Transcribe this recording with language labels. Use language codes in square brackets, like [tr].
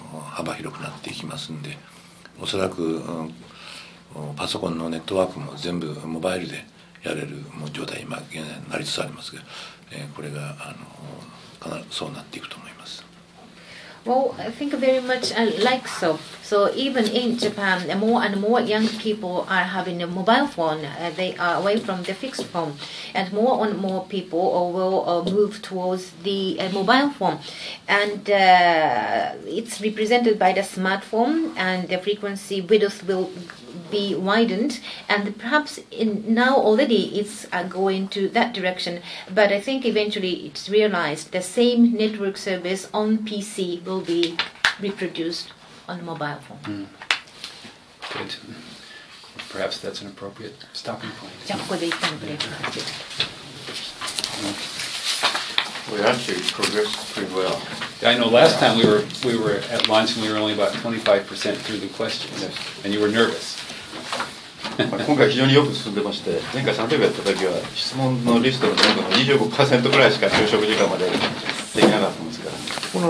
[ja] 幅広くなっていきますんで、おそらく、パソコンのネットワークも全部モバイルでやれる状態に今現在なりつつありますが、これがかなりそうなっていくと思います。 [en] Well, I think very much like so. So even in Japan, more and more young people are having a mobile phone. They are away from the fixed phone. And more people will move towards the mobile phone. And it's represented by the smartphone, and the frequency widths will be widened. And perhaps now already it's going to that direction. But I think eventually it's realized the same network service on PC will be reproduced on the mobile phone. Mm. Good. Perhaps that's an appropriate stopping point. [ja] じゃあここで一旦ブレイク。 [en] We actually progressed pretty well. I know last time we were at lunch and we were only about 25% through the questions. Yes. And you were nervous. [ja] 今回非常によく進んでまして、前回3回やった時は質問のリストの全部の 25% くらいしか就職時間までできなかったんですから。